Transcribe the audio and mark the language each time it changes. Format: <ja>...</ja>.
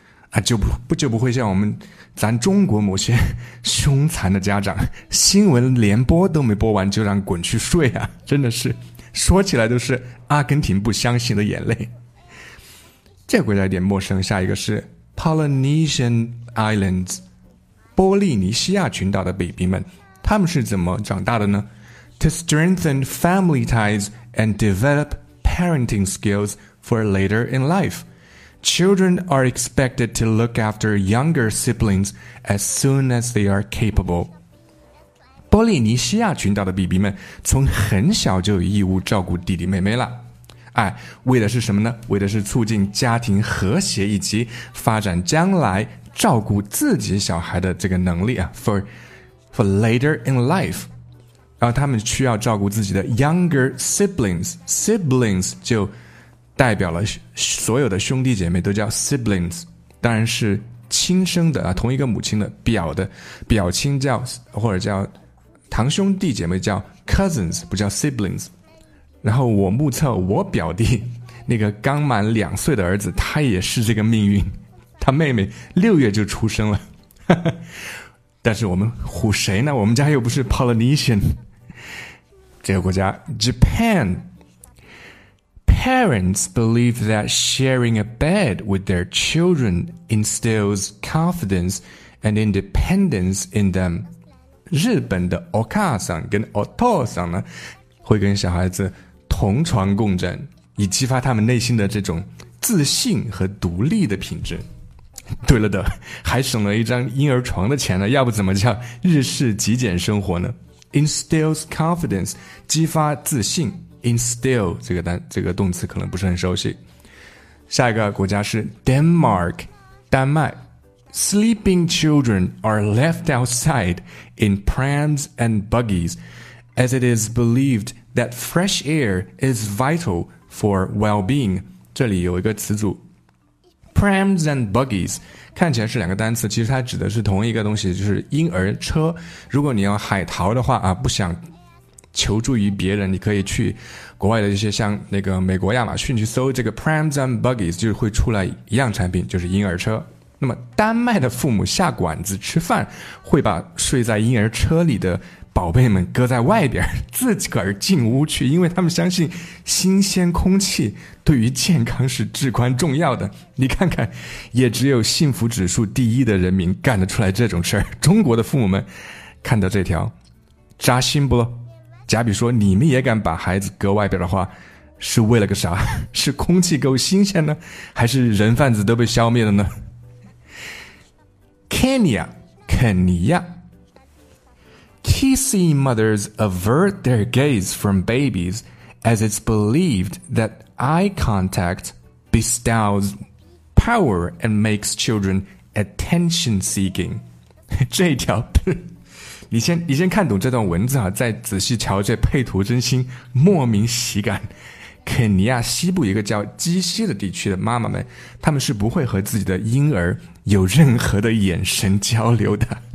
<zh>啊，就不会像我们咱中国某些凶残的家长，新闻连播都没播完就让滚去睡啊，真的是说起来都是阿根廷不相信的眼泪。这国家有点陌生，下一个是 Polynesian Islands， 波利尼西亚群岛的 baby 们，他们是怎么长大的呢？</zh> <en>To strengthen family ties and develop parenting skills for later in life. Children are expected to look after younger siblings as soon as they are capable.</en> <zh>波利尼西亚群岛的 BB 们从很小就有义务照顾弟弟妹妹了。哎，为的是什么呢？为的是促进家庭和谐以及发展将来照顾自己小孩的这个能力啊。</zh> <en>For later in life.</en> <zh>然后他们需要照顾自己的 younger siblings. Siblings 就代表了所有的兄弟姐妹都叫 siblings， 当然是亲生的啊，同一个母亲的表的表亲叫或者叫堂兄弟姐妹叫 cousins， 不叫 siblings。然后我目测我表弟那个刚满两岁的儿子，他也是这个命运，他妹妹六月就出生了。但是我们唬谁呢？我们家又不是 Polynesian， 这个国家 Japan。</zh> <en>Parents believe that sharing a bed with their children instills confidence and independence in them.</en> <zh>日本的お母さん跟お父さん呢，会跟小孩子同床共枕，以激发他们内心的这种自信和独立的品质。对了的，还省了一张婴儿床的钱呢，要不怎么叫日式极简生活呢？ Instills confidence， 激发自信。Instill 这个动词可能不是很熟悉。下一个国家是 Denmark， 丹麦。</zh> <en>Sleeping children are left outside in prams and buggies, as it is believed that fresh air is vital for well-being.</en> <zh>这里有一个词组 prams and buggies， 看起来是两个单词，其实它指的是同一个东西，就是婴儿车。如果你要海淘的话啊，不想求助于别人，你可以去国外的一些像那个美国亚马逊去搜这个 prams and buggies， 就会出来一样产品，就是婴儿车。那么丹麦的父母下馆子吃饭，会把睡在婴儿车里的宝贝们搁在外边，自个儿进屋去，因为他们相信新鲜空气对于健康是至关重要的。你看看，也只有幸福指数第一的人民干得出来这种事儿。中国的父母们看到这条扎心不咯？假比说你们也敢把孩子搁外边的话，是为了个啥？是空气够新鲜呢？还是人贩子都被消灭了呢？</zh> <en>Kenya, Kenya. Kisi mothers avert their gaze from babies as it's believed that eye contact bestows power and makes children attention seeking.</en> <zh>这一条你先看懂这段文字啊，再仔细瞧这配图，真心莫名喜感。肯尼亚西部一个叫基西的地区的妈妈们，他们是不会和自己的婴儿有任何的眼神交流的。</zh>